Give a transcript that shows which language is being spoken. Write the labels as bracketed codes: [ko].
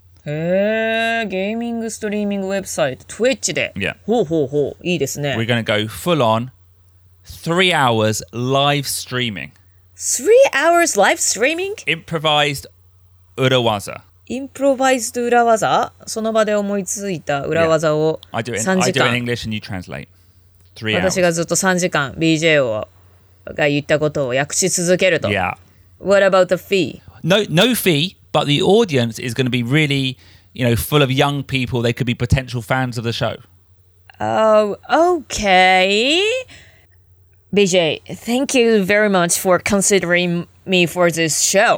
[ja] へー、ゲーミングストリーミングウェブサイト。 Twitch で。 [en] Yeah. [ja] ほうほうほう。いいですね。 [en] We're going to go full on 3 hours live streaming. 3 hours live streaming? Improvised. 裏技。 Improvised 裏技？ [ja] その場で思いついた裏技を3時間。 [en] Yeah. I do it in English and you translate. [ja] 私がずっと3時間 BJ が言ったことを訳し続けると。 [en] Yeah. What about the fee? No fee, but the audience is going to be really, you know, full of young people. They could be potential fans of the show. Oh, okay. BJ, thank you very much for considering me for this show.